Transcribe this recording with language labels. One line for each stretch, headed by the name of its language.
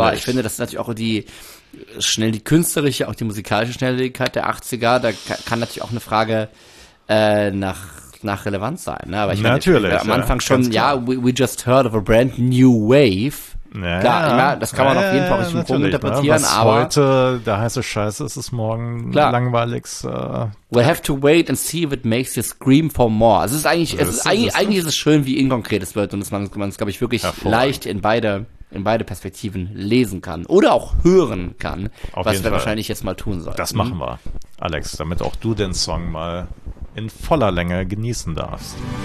German: Aber ich finde, das ist natürlich auch die schnell die künstlerische, auch die musikalische Schnelligkeit der 80er, da kann natürlich auch eine Frage nach Relevanz sein. Ne? Aber ich natürlich. Meine, am Anfang schon,
English: we just heard of a brand new wave.
German: Ja, klar, das kann man auf jeden Fall richtig interpretieren. Was aber heute der heiße Scheiß ist, ist morgen klar langweiliges.
English: We have to wait and see if it makes you scream for more.
German: Also es ist eigentlich ist es schön, wie inkonkret es wird, und dass man es, glaube ich, wirklich leicht in beide Perspektiven lesen kann oder auch hören kann, auf was wir Fall wahrscheinlich jetzt mal tun sollten. Das machen wir, Alex, damit auch du den Song mal in voller Länge genießen darfst.